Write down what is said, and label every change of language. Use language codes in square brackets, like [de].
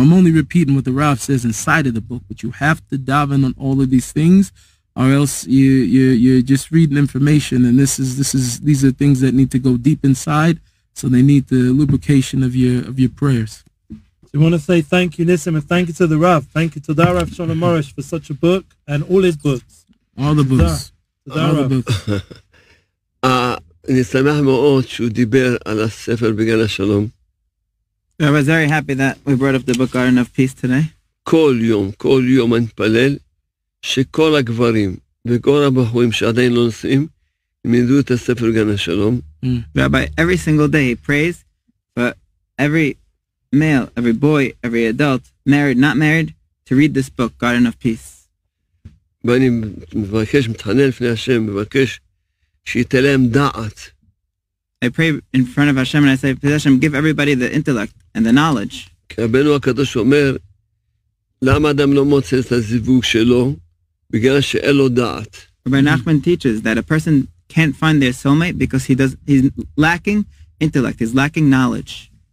[en] I'm only repeating what the Rav says inside of the book, but you have to daven on all of these things, or else you're just reading information, and these are things that need to go deep inside, so they need the lubrication of your prayers. So we want to say thank you, Nissim, and thank you to the Rav. Thank you to the Rav Shalom Arush for such a book and all his books. All the books. [he] אני שמח מאוד שהוא דיבר על הספר בגן השלום. [en] I was very happy that we brought up the book Garden of Peace today. [he] כל יום אני מתפלל שכל הגברים וכל הבחורים שעדיין לא נוסעים ילמדו את הספר בגן השלום. [en] Rabbi, every single day he prays for every male, every boy, every adult, married, not married, to read this book, Garden of Peace. [he] ואני מבקש, מתחנן לפני השם, מבקש שייתן להם דעת. [en] I pray in front of Hashem and I say, Hashem, give everybody the intellect and the knowledge. [he] כי רבנו הקדוש אומר, למה אדם לא מוצא את הזיווג שלו? בגלל שאין לו דעת. [en] Rabbi Nachman teaches that a person can't find their soulmate because he's lacking intellect, he's lacking knowledge.